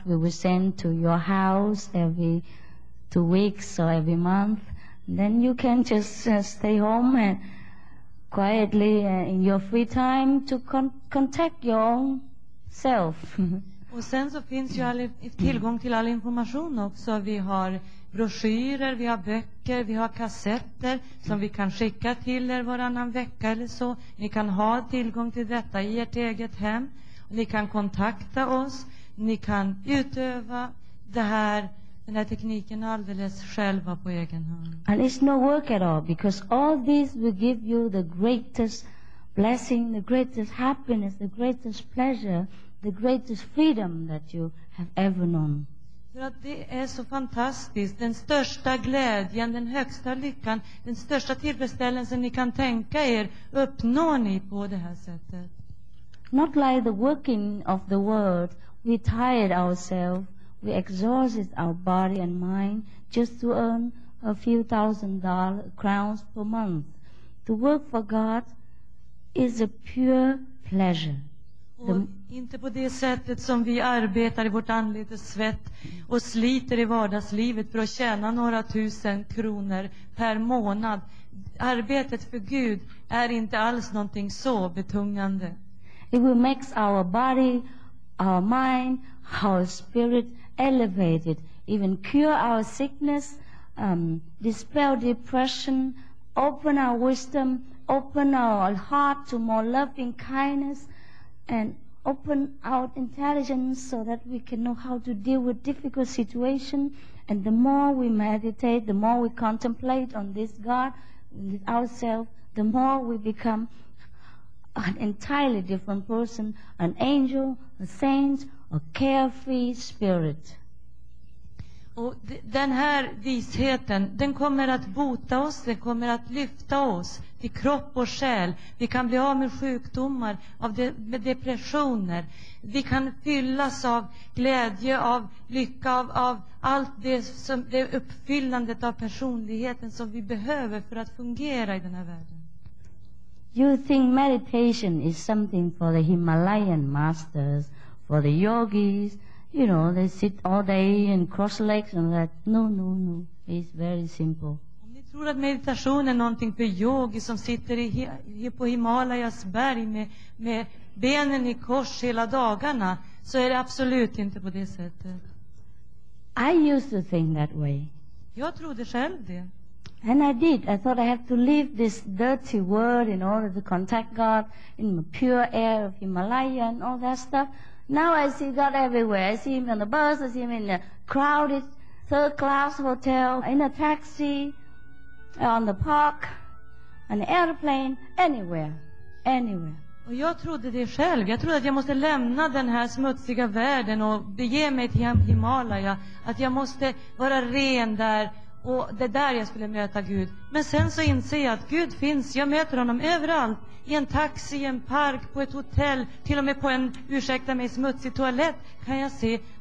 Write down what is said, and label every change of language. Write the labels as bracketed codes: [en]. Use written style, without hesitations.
[en] We will send to your house every 2 weeks or every month. Then you can just stay home and quietly in your free time to contact your own self. [sv] Och sen så finns ju all tillgång till all information också. Vi har broschyrer, vi har böcker, vi har kassetter som vi kan skicka till er varannan vecka eller så. Ni kan ha tillgång till detta i ert eget hem. Ni kan kontakta oss. Ni kan utöva det här, den här tekniken alldeles själva på egen hand. [en] And it's no work at all, because all this will give you the greatest blessing, the greatest happiness, the greatest pleasure, the greatest freedom that you have ever known. [sv] För att det är så fantastiskt, den största glädjen, den högsta lyckan, den största tillfredsställelsen ni kan tänka er, uppnår ni på det här sättet. [en] Not like the working of the world, we tired ourselves, we exhausted our body and mind just to earn a few thousand crowns per month. To work for God is a pure pleasure. [sv] Och inte på det sättet som vi arbetar i vårt andliga svett och sliter i vardagslivet för att tjäna några tusen kronor per månad. Arbetet för Gud är inte alls någonting så betungande. [en] It will make our body, our mind, our spirit elevated, even cure our sickness, dispel depression, open our wisdom, open our heart to more loving kindness, and open our intelligence so that we can know how to deal with difficult situations. And the more we meditate, the more we contemplate on this God, ourselves, the more we become an entirely different person, an angel, a saint, a carefree spirit. [sv] Och den här visheten, den kommer att bota oss, den kommer att lyfta oss till kropp och själ. Vi kan bli av med sjukdomar, med depressioner. Vi kan fyllas av glädje, av lycka, av allt det som det uppfyllandet av personligheten som vi behöver för att fungera i den här världen. [en] You think meditation is something for the Himalayan masters, for the yogis? You know, they sit all day and cross legs and that. No. It's very simple. [sv] Om ni tror att meditation är någonting för yogi som sitter på Himalayas berg med benen i kors hela dagarna, så är det absolut inte på det sättet. [en] I used to think that way. [sv] Jag trodde själv det. [en] And I did. I thought I have to leave this dirty world in order to contact God in the pure air of Himalaya and all that stuff. Now I see God everywhere. I see him on the bus, I see him in a crowded third class hotel, in a taxi, on the park, an airplane, anywhere. [sv] Och jag trodde det själv. Jag trodde att jag måste lämna den här smutsiga världen och bege mig till Himalaya, att jag måste vara ren där, och det där jag skulle möta Gud. Men sen så inser jag att Gud finns. Jag möter honom överallt. I en taxi, i en park, på ett hotell, till och med på en, ursäkta mig, smutsig toalett kan jag se.